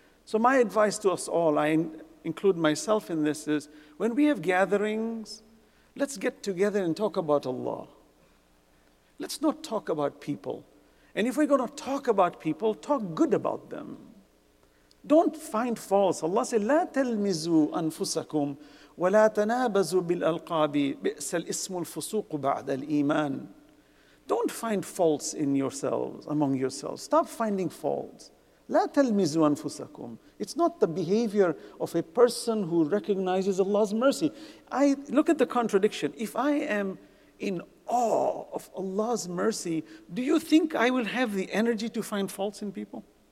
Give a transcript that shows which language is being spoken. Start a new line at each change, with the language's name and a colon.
English: So my advice to us all, I include myself in this, is when we have gatherings, let's get together and talk about Allah. Let's not talk about people. And if we're going to talk about people, talk good about them. Don't find faults. Allah said,
Arabic: لَا تَلْمِزُوا أَنفُسَكُمْ وَلَا تَنَابَزُوا بِالْأَلْقَابِ بِئْسَ الْإِسْمُ الْفُسُوقُ بَعْدَ الْإِيمَانِ.
English: Don't find faults in yourselves, among yourselves. Stop finding faults.
Arabic: لَا تَلْمِزُوا أَنفُسَكُمْ.
English: It's not the behavior of a person who recognizes Allah's mercy. I look at the contradiction. If I am in awe of Allah's mercy, do you think I will have the energy to find faults in people?